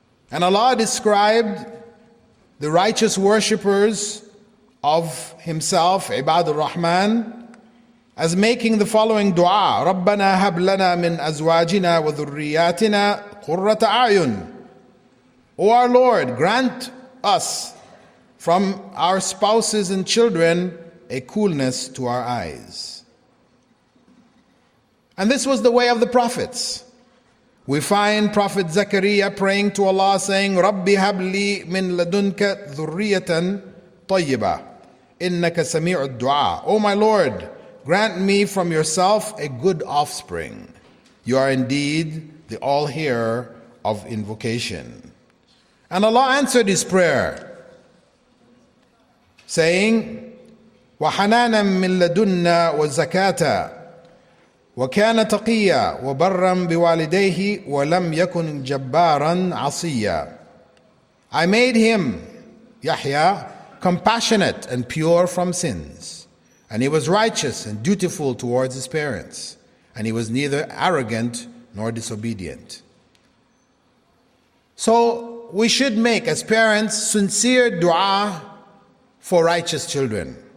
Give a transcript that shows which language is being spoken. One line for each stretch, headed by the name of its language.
English: And Allah described the righteous worshippers of Himself, Ibadur Rahman, as making the following dua:
Arabic: رَبَّنَا هَبْ لَنَا مِنْ أَزْوَاجِنَا وَذُرِّيَاتِنَا قُرَّةَ أَعْيُنٍ.
English: O our Lord, grant us from our spouses and children a coolness to our eyes. And this was the way of the prophets. We find Prophet Zakariya praying to Allah, saying,
Arabic: رَبِّ هَبْ لِي مِنْ لَدُنْكَ ذُرِّيَةً طَيِّبًا إِنَّكَ سَمِيعُ الدُّعَى.
English: O my Lord, grant me from Yourself a good offspring. You are indeed the all-hearer of invocation. And Allah answered his prayer, saying,
Arabic: وَحَنَانًا مِنْ لَدُنَّا وَزَكَاتًا وَكَانَ تَقِيًّا وَبَرًّا بِوَالِدَيْهِ وَلَمْ يَكُنْ جَبَّارًا عَصِيًّا.
English: I made him, Yahya, compassionate and pure from sins. And he was righteous and dutiful towards his parents. And he was neither arrogant nor disobedient. So we should make, as parents, sincere dua for righteous children.